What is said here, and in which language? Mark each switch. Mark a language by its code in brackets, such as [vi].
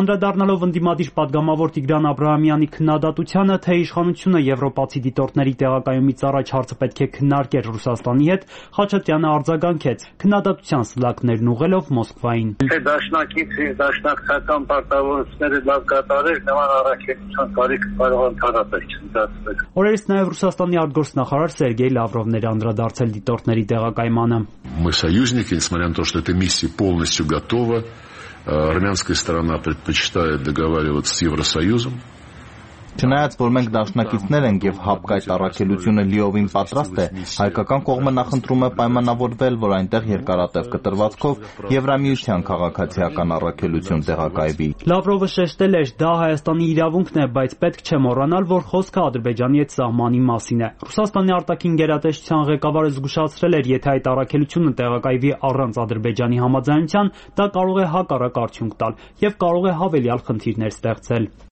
[hy] Անդրադառնալով ընդդիմադիր պատգամավոր Տիգրան Աբրահամյանի քննադատությանը, թե իշխանությունը եվրոպացի դիտորդների տեղակայումից առաջ հարցը պետք է քննարկեր Ռուսաստանի հետ, Խաչատրյանը արձագանքեց, քննադատության սլակներն ուղղելով Մոսկվային։ Թե դաշնակիցի դաշնակցական պարտավորությունները լավ կատարեր, նման առաքելության կարիք կարող ընդհանրապես չընդդարձվեր։ Օրերս նաև Ռուսաստանի արտգործնախարար Սերգեյ Լավրովն էր անդրադարձել դիտորդների տեղակայմանը։ [ru] Мы союзники, несмотря на то, что эта миссия полностью готова, армянская сторона предпочитает договариваться с Евросоюзом. [hy] Չնայած, որ մենք դաշնակիցներ ենք և ՀԱՊԿ այդ առաքելությունը լիովին պատրաստ է, հայկական կողմը նախընտրում է պայմանավորվել, որ այնտեղ երկարատև կտրվածքով Եվրամիության քաղաքացիական առաքելություն տեղակայվի։ Լավրովը շեշտել էր, դա Հայաստանի իրավունքն է, բայց պետք չէ մոռանալ, որ խոսքը Ադրբեջանի հետ սահմանի մասին է։ Ռուսաստանի արտաքին գերատեսչության ղեկավարը զգուշացրել էր, եթե այդ առաքելությունը տեղակայվի առանց Ադրբեջանի համաձայնության, դա կարող է հակառակ արդյունք տալ և կարող է հավելյալ խնդիրներ ստեղծել։